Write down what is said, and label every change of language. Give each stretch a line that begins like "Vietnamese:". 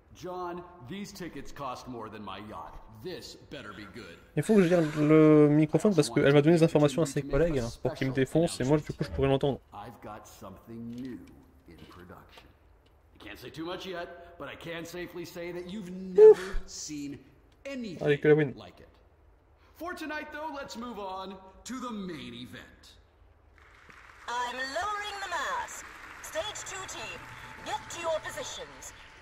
English: John, these tickets cost more than my yacht. This better be good.
French: Il faut que je garde le microphone parce qu'elle va donner des informations à ses collègues pour qu'ils me défoncent et moi, du coup, je pourrais l'entendre.
English: I've got something new in production. Can't say too much yet, but I can safely say that you've never seen anything like it. For tonight, though, let's move on to the main event. I'm lowering the mask. Stage 2 team, get to your positions.